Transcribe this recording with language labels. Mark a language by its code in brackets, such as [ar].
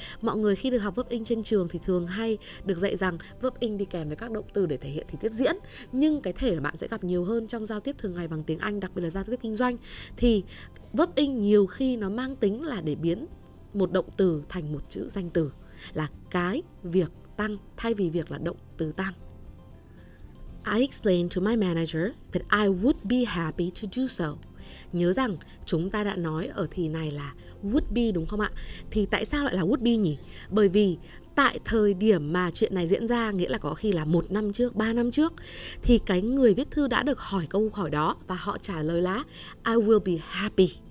[vi] Mọi người khi được học verb in trên trường thì thường hay được dạy rằng verb in đi kèm với các động từ để thể hiện thì tiếp diễn. Nhưng cái thể mà bạn sẽ gặp nhiều hơn trong giao tiếp thường ngày bằng tiếng Anh, đặc biệt là giao tiếp kinh doanh, thì verb in nhiều khi nó mang tính là để biến một động từ thành một chữ danh từ, là cái việc tăng thay vì việc là động từ tăng. [en] I explained to my manager that I would be happy to do so. [vi] Nhớ rằng chúng ta đã nói ở thì này là would be đúng không ạ? Thì tại sao lại là would be nhỉ? Bởi vì tại thời điểm mà chuyện này diễn ra, nghĩa là có khi là 1 năm trước, 3 năm trước, thì cái người viết thư đã được hỏi câu hỏi đó và họ trả lời là [en] I will be happy.